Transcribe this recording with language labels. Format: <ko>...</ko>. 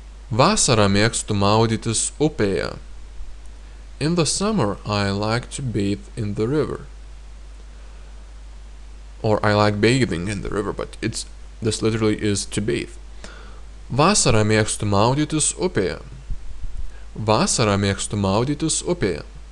<lt>Vasara mėgstu maudytis upėje.</lt> <en>In the summer, I like to bathe in the river. Or I like bathing in the river, but this literally is to bathe.</en> <lt>Vasara mėgstu maudytis upėje. Vasara mėgstu maudytis upėje.</lt>